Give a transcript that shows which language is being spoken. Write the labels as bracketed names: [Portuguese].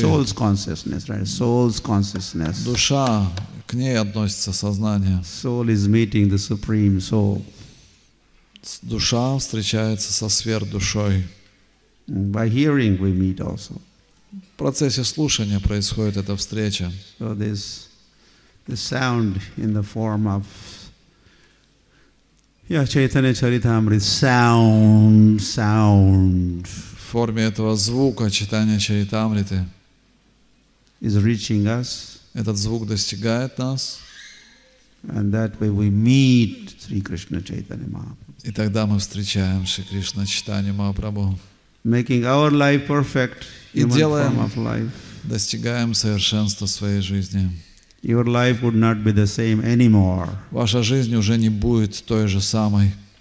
[English] Soul's consciousness, right? Soul's consciousness. [Russian] Душа, к ней относится сознание. [English] Soul is meeting the supreme soul. [Russian] Душа встречается со сверхдушой. [English] By hearing we meet also. [Russian] В процессе слушания происходит эта встреча. [English] So this, the sound in the form of Chaitanya Charitamrita, sound. [Russian] В форме этого звука Чайтанья Чаритамриты [English] is reaching us. [Russian] Этот звук достигает нас. [English] And that way we meet Sri Krishna Chaitanya Mahaprabhu. [Russian] И тогда мы встречаем Шри Кришна Чайтанья Махапрабху. [English] Making our life perfect, [Russian] и делаем, [English] form of life. [Russian] Достигаем совершенства своей жизни. [English] Your life would not be the same anymore. [Russian] Ваша жизнь уже не будет той же самой.